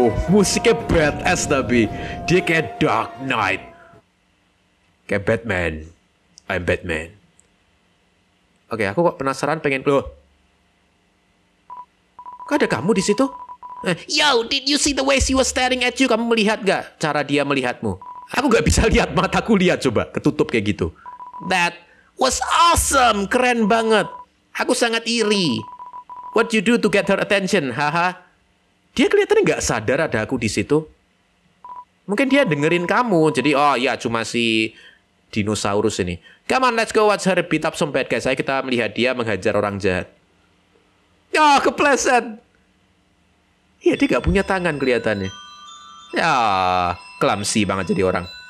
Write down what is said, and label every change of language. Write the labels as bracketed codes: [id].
[id] Musiknya badass tapi dia kayak Dark Knight, kayak Batman. [en] I'm Batman. [id] Oke, aku kok penasaran, pengen keluar. Kok ada kamu di situ? [en] Yo, did you see the way she was staring at you? [id] Kamu melihat gak cara dia melihatmu? Aku gak bisa lihat, mataku lihat coba, ketutup kayak gitu. [en] That was awesome, [id] keren banget. Aku sangat iri. [en] What you do to get her attention, haha? [id] Dia kelihatannya nggak sadar ada aku di situ. Mungkin dia dengerin kamu, jadi oh ya cuma si dinosaurus ini. [en] Come on, let's go watch her beat up some bad guys. [id] Ayo kita melihat dia menghajar orang jahat. Oh, kepleset. Iya, dia nggak punya tangan kelihatannya. Ya, clumsy banget jadi orang.